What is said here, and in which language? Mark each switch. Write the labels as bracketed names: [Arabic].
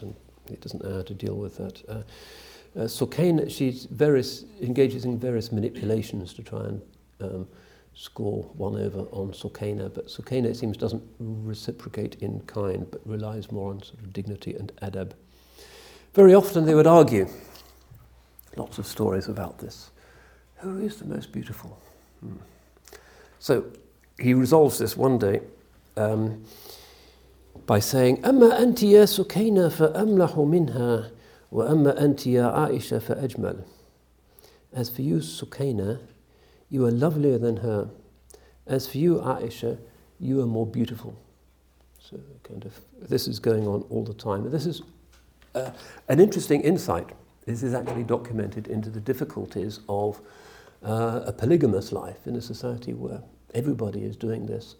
[English] And it doesn't know how to deal with that. Sukayna, engages in various manipulations to try and score one over on Sukayna, but Sukayna, it seems, doesn't reciprocate in kind, but relies more on sort of dignity and adab. Very often they would argue, lots of stories about this. Who is the most beautiful? So he resolves this one day by saying, [Arabic] أَمَّا أَنْتِ يَا سُكَيْنَا فَأَمْلَحُ مِنْهَا وَأَمَّا أَنْتِ يَا عَائِشَ فَأَجْمَلُ. [English] As for you, Sukayna, you are lovelier than her. As for you, Aisha, you are more beautiful. So kind of this is going on all the time. This is an interesting insight. This is actually documented into the difficulties of a polygamous life in a society where everybody is doing this.